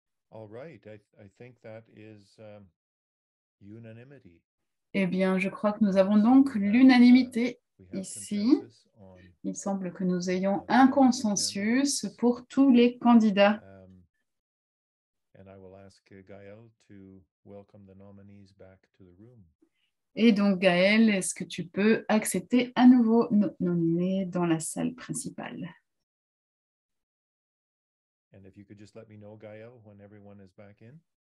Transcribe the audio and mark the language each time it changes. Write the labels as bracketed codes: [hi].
[en] All right, I think that is unanimity. [fr] Eh bien, je crois que nous avons donc l'unanimité ici. Il semble que nous ayons un consensus pour tous les candidats. [en] And I will ask Gaël to welcome the nominees back to the room. [fr] Et donc, Gaël, est-ce que tu peux accepter à nouveau nos nominés dans la salle principale? [en] And if you could just let me know, Gaël, when everyone is back in.